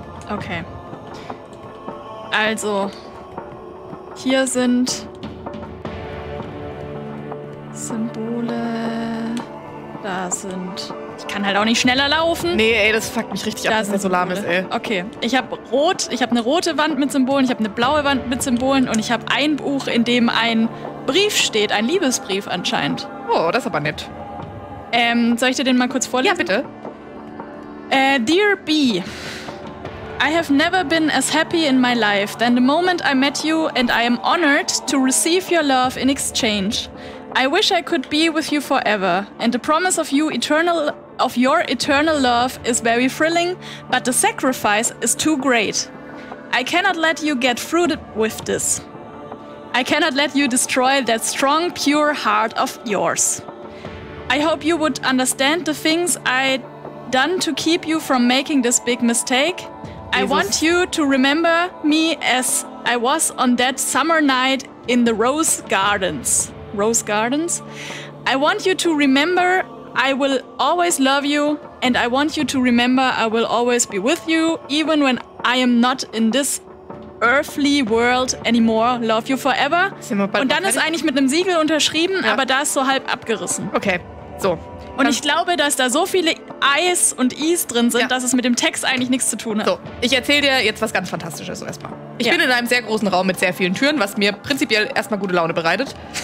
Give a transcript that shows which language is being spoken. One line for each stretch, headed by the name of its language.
German: Okay. Also, hier sind Symbole. Da sind... Ich kann halt auch nicht schneller laufen. Nee, ey, das fuckt mich richtig ab, dass das so lahm ist, ey. Okay, ich habe eine rote Wand mit Symbolen, ich habe eine blaue Wand mit Symbolen und ich habe ein Buch, in dem ein Brief steht, ein Liebesbrief anscheinend. Oh, das ist aber nett. Soll ich dir den mal kurz vorlesen? Ja, bitte.
English: Dear B, I have never been as happy in my life than the moment I met you and I am honored to receive your love in exchange. I wish I could be with you forever, and the promise of you eternal, of your eternal love is very thrilling, but the sacrifice is too great. I cannot let you get through with this. I cannot let you destroy that strong, pure heart of yours. I hope you would understand the things I've done to keep you from making this big mistake. Jesus. I want you to remember me as I was on that summer night in the Rose Gardens. Rose Gardens. I want you to remember I will always love you and I want you to remember I will always be with you even when I am not in this earthly world anymore. Love you forever.
German: Und dann ist eigentlich mit einem Siegel unterschrieben, ja. Aber da ist so halb abgerissen. Okay, so. Und ich glaube, dass da so viele I's und I's drin sind, ja. Dass es mit dem Text eigentlich nichts zu tun hat. So, ich erzähle dir jetzt was ganz Fantastisches erstmal. Ich bin in einem sehr großen Raum mit sehr vielen Türen, was mir prinzipiell erstmal gute Laune bereitet.